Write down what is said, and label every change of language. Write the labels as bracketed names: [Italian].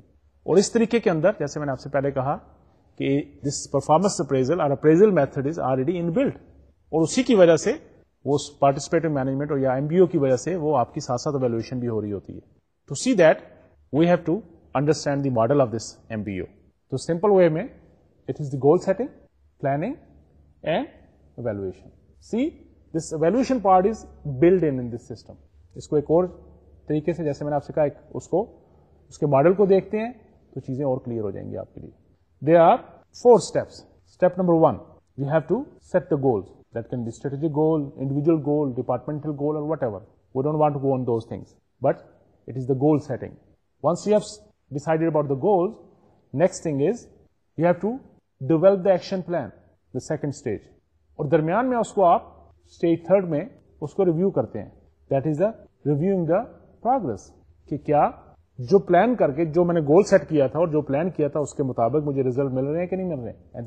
[Urdu] اور اس طریقے کے اندر جیسے میں نے آپ سے پہلے کہا کہ [English] this performance appraisal اور appraisal method is already in built, [Urdu] اور اسی کی وجہ سے وہ پارٹیسپیٹو مینجمنٹ یا ایم بی او کی وجہ سے وہ آپ کی ساتھ ساتھ ایویلویشن بھی ہو رہی ہوتی ہے. [English] To see that we have to understand the model of this M B O. تو simple way میں it is the goal setting planning and evaluation. See this evaluation part is built in this system. [Urdu] اس کو ایک اور طریقے سے جیسے میں نے آپ سے کہا اس کے ماڈل کو دیکھتے ہیں تو چیزیں اور کلیئر ہو جائیں گی آپ کے لیے. [English] They are four steps. Step number one, you have to set the goals. That can be strategic goal, individual goal, departmental goal اور whatever. We don't want to go on those things, but it is the goal setting. Once you have decided about the goals, next thing is you have to develop the action plan, the second stage. [Urdu] اور درمیان میں اس کو آپ stage third میں اس کو review کرتے ہیں. [English] that is the reviewing the progress, [Urdu] کہ کیا جو پلان کر کے جو میں نے گول سیٹ کیا تھا اور جو پلان کیا تھا اس کے مطابق مجھے ریزلٹ مل رہے ہیں کہ نہیں مل رہے ہیں.